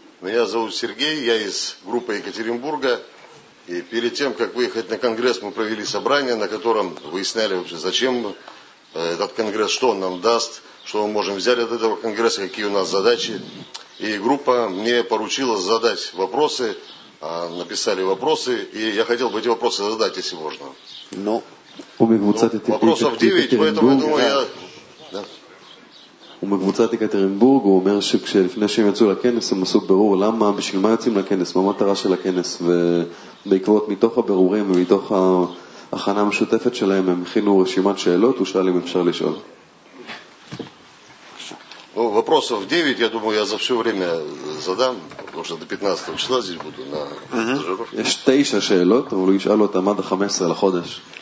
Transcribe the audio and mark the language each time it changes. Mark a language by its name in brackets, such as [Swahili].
[Russian] Меня зовут Сергей, я из группы Екатеринбурга. И перед тем, как выехать на конгресс, мы провели собрание, на котором выясняли вообще, зачем этот конгресс, что он нам даст, что мы можем взять от этого конгресса, какие у нас задачи. И группа мне поручила задать вопросы, написали вопросы, и я хотел бы эти вопросы задать, если можно. Ну, вопросов 9, поэтому я думаю, я... [Hebrew] ומקבוצת יקטרינבורג הוא אומר שכשלפני שהם יצאו לכנס הם עשו ברור למה, בשביל מה יוצאים לכנס, מה המטרה של הכנס, ובעקבות מתוך הבירורים ומתוך ההכנה המשותפת שלהם הם הכינו רשימת שאלות, הוא שאל אם אפשר לשאול. [Russian] Вопросов 9, я думаю, я за все время задам, потому что до 15 числа здесь буду на стажировке. [Hebrew] יש 9 שאלות, אבל הוא ישאל אותם עד 15 לחודש.